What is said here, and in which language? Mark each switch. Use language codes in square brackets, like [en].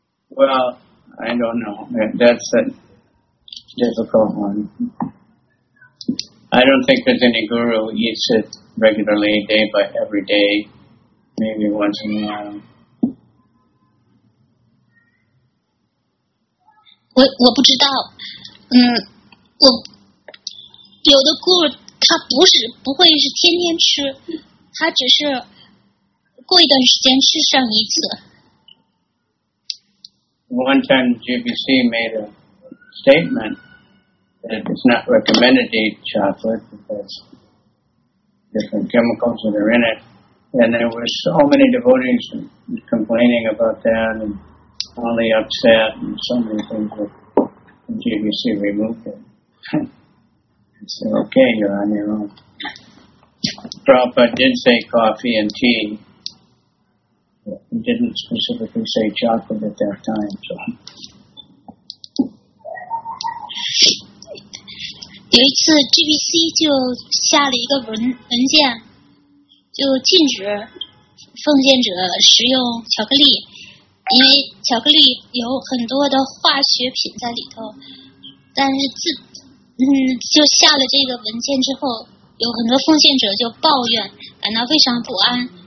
[en] Well, I don't know. That's a difficult one. I don't think there's any guru who eats it regularly, day by every day, maybe once in a while. [zh] 我不知道，我有的顾他不会是天天吃，他只是过一段时间吃上一次。 [en] One time GBC made a statement that it's not recommended to eat chocolate because different chemicals that are in it, and there were so many devotees complaining about that and all the upset and so many things that. GBC removed it. I said, okay, you're on your own. Prabhupada did say coffee and tea. He didn't specifically say chocolate at that time. So. [zh] 有一次 GBC 就下了一个文件，就禁止奉献者食用巧克力。因为巧克力有很多的化学品在里头，但是就下了这个文件之后，有很多奉献者就抱怨，感到非常不安。